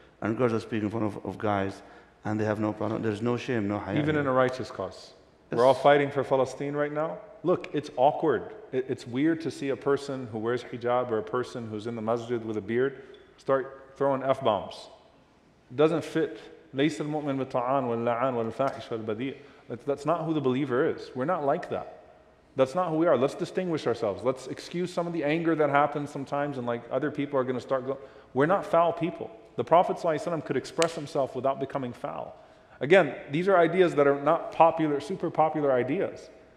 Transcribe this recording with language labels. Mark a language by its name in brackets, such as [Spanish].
[English] and girls are speaking in front of guys, and they have no problem. There's no shame, no haya. Even in a righteous cause. Yes. We're all fighting for Palestine right now. Look, it's awkward. It's weird to see a person who wears hijab or a person who's in the masjid with a beard start throwing F-bombs. It doesn't fit. [Arabic] ليس المؤمن بالطعان واللعان والفاحش والبذيء. [English] That's not who the believer is. We're not like that. That's not who we are. Let's distinguish ourselves. Let's excuse some of the anger that happens sometimes, and like other people are going to start going. We're not foul people. The Prophet ﷺ could express himself without becoming foul. Again, these are ideas that are not popular, super popular ideas.